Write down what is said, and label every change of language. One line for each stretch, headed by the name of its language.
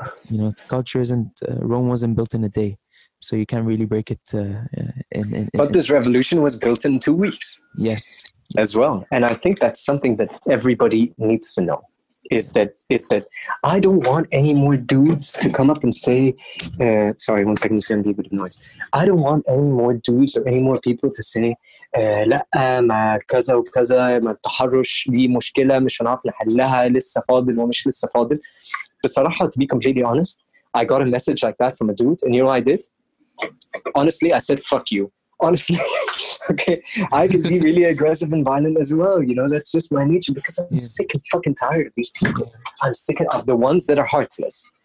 English: You know, culture isn't, Rome wasn't built in a day. So you can't really break it. This revolution was built in 2 weeks. Yes. As well. And I think that's something that everybody needs to know. Is that I don't want any more dudes to come up and say, sorry, 1 second, you're going to be a bit of noise. I don't want any more dudes or any more people to say,
Arabic: لأ ما كذا وكذا ما التحرش لي مشكلة مش هنعرف نحلها لسه فاضل ومش لسه فاضل.
English: بصراحة, to be completely honest, I got a message like that from a dude, and you know what I did? Honestly, I said, fuck you. Honestly, okay, I can be really aggressive and violent as well. You know, that's just my nature because I'm sick and fucking tired of these people. I'm sick of the ones that are heartless.